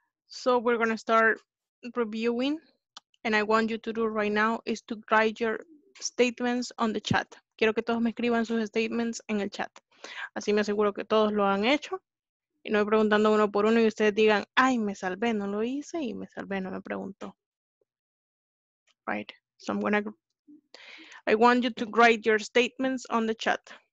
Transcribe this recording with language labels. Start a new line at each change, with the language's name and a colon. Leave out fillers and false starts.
English: So we're going to start reviewing, and I want you to do right now is to write your statements on the chat.
Spanish: Quiero que todos me escriban sus statements en el chat. Así me aseguro que todos lo han hecho. Y no voy preguntando uno por uno y ustedes digan, ay, me salvé, no lo hice, y me salvé, no me preguntó.
English: Right. So I'm going to, I want you to write your statements on the chat.